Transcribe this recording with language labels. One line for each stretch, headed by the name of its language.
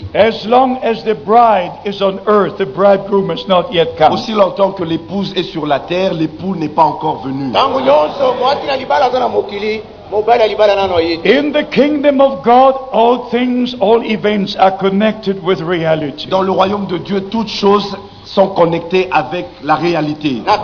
English: As long as the bride is on earth, the bridegroom has not yet come.
French: Aussi longtemps que l'épouse est sur la terre, l'époux n'est pas encore venu.
English: In the kingdom of God, all things, all events are connected with reality.
French: Dans le royaume de Dieu, toutes choses sont connectés avec la réalité.